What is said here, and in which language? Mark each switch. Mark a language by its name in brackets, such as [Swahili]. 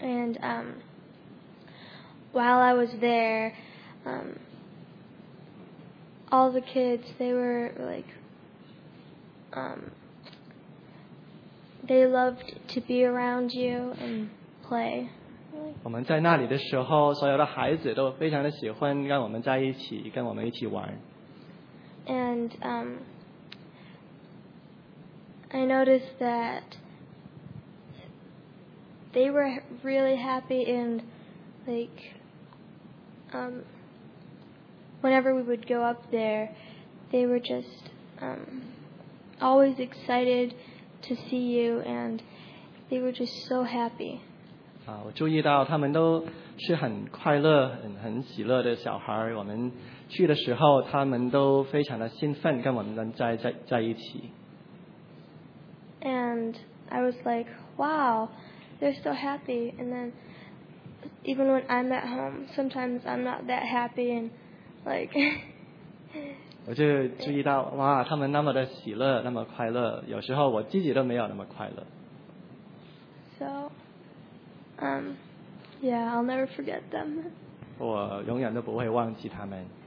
[English] And while I was there, all the kids, they were like. They loved to be around you and play. [Chinese] 我们在那里的时候，所有的孩子都非常的喜欢跟我们在一起，跟我们一起玩。 [English] And I noticed that they were really happy and like whenever we would go up there, they were just always excited to see you and they were just so happy. [Chinese] 我注意到他们都是很快乐 很喜乐的小孩我们去的时候他们都非常的兴奋跟我们 在一起。 [English] And I was like, wow, they're so happy. And then even when I'm at home, sometimes I'm not that happy. And like, [Chinese] 我就注意到哇，他们那么的喜乐，那么快乐。有时候我自己都没有那么快乐。 [English] So, yeah, I'll never forget them. [Chinese] 我永远都不会忘记他们。